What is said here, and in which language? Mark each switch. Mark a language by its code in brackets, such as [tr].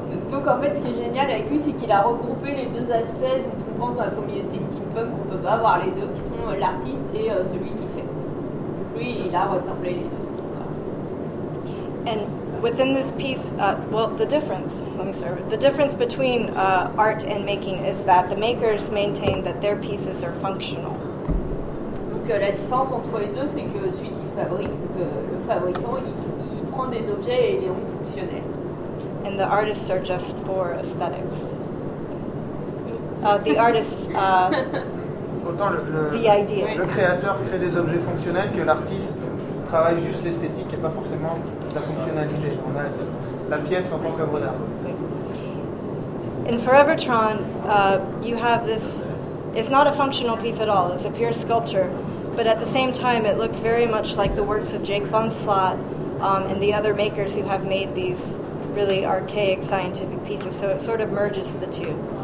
[fr] Donc en fait ce qui est génial avec lui c'est qu'il a regroupé les deux aspects dont on pense dans la communauté steampunk qu'on peut pas avoir les deux qui sont l'artiste et celui qui fait. Lui il a rassemblé les deux. [en] And within this piece, the difference between art and making is that the makers maintain that their pieces are functional. [fr] Donc la différence entre les deux c'est que celui qui fabrique, le fabricant, il prend des objets et les rend fonctionnels. [en] And the artists are just for aesthetics. The artists, the idea. [fr] Le créateur crée des objets fonctionnels que l'artiste travaille juste l'esthétique et pas forcément la fonctionnalité. On a la pièce en tant qu'œuvre d'art. [en] In Forevertron, you have this. It's not a functional piece at all. It's a pure sculpture, but at the same time, it looks very much like the works of Jake Von Slot and the other makers who have made these really archaic scientific pieces, so it sort of merges the two.